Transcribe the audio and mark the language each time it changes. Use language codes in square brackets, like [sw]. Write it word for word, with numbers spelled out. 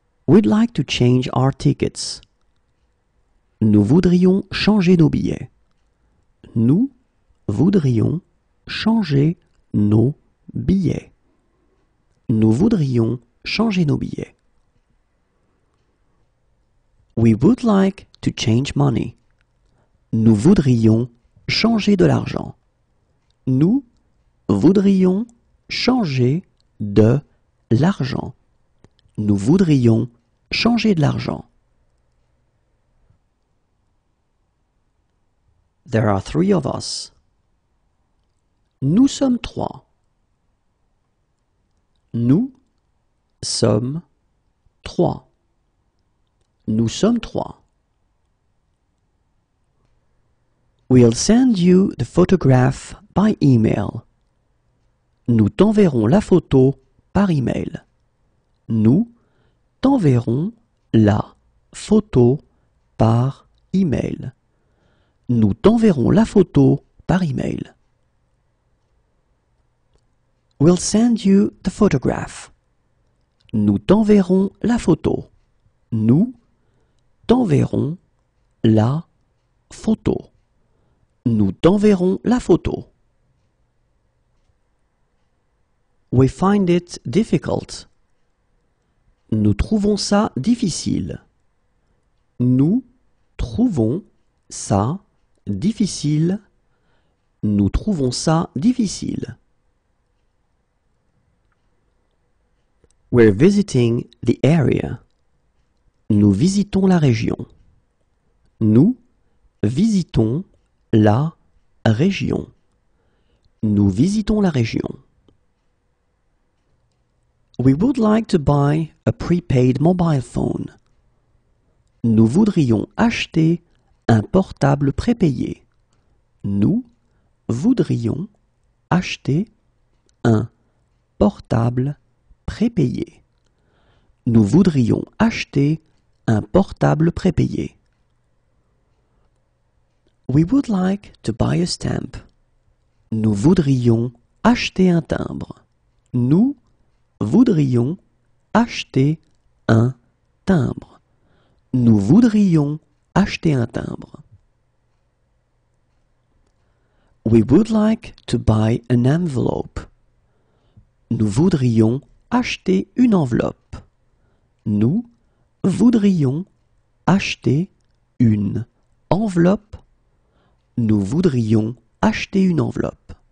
[en] We'd like to change our tickets. [fr] Nous voudrions changer nos billets. Nous voudrions changer nos billets. Nous voudrions changer nos billets. [en] We would like to change money. [fr] Nous voudrions changer de l'argent. Nous voudrions changer de l'argent. Nous voudrions changer de l'argent. [en] There are three of us. [fr] Nous sommes trois. Nous sommes trois. Nous sommes trois. [en] We'll send you the photograph by email. [fr] Nous t'enverrons la photo par email. Nous t'enverrons la photo par email. Nous t'enverrons la photo par email. [en] We'll send you the photograph. [fr] Nous t'enverrons la photo. Nous t'enverrons la photo. Nous t'enverrons la photo. [en] We find it difficult. [fr] Nous trouvons ça difficile. Nous trouvons ça difficile. Nous trouvons ça difficile. [en] We're visiting the area. [fr] Nous visitons la région. Nous visitons la région. Nous visitons la région. [en] We would like to buy a prepaid mobile phone. [fr] Nous voudrions acheter un portable prépayé. Nous voudrions acheter un portable prépayé. Nous voudrions acheter un portable prépayé. [en] We would like to buy a stamp. [fr] Nous voudrions acheter un timbre. Nous voudrions acheter un timbre. Nous voudrions acheter un timbre. [en] We would like to buy an envelope. [fr] Nous voudrions acheter une enveloppe. Nous voudrions acheter une enveloppe. Nous voudrions acheter une enveloppe.